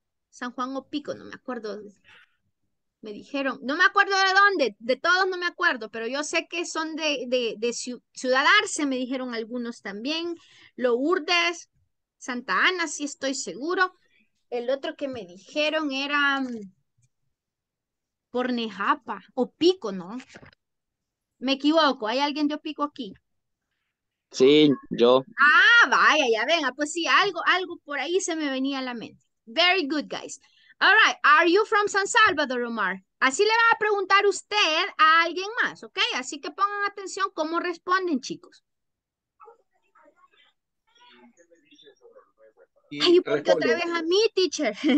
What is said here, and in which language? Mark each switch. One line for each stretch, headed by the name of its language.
Spanish: San Juan o Pico, no me acuerdo, me dijeron, no me acuerdo de dónde, de todos no me acuerdo, pero yo sé que son de Ciudad Arce, me dijeron algunos también, Lourdes, Santa Ana, sí estoy seguro, el otro que me dijeron era por Nejapa, o Pico, ¿no? Me equivoco, ¿hay alguien de Pico aquí? Sí, yo. Ah, vaya, ya venga, pues sí, algo por ahí se me venía a la mente.
English: Very good, guys. All right, are you from San Salvador, Omar?
Spanish: Así le va a preguntar usted a alguien más, ¿ok? Así que pongan atención cómo responden, chicos. Ay, ¿por qué otra vez a mí, teacher?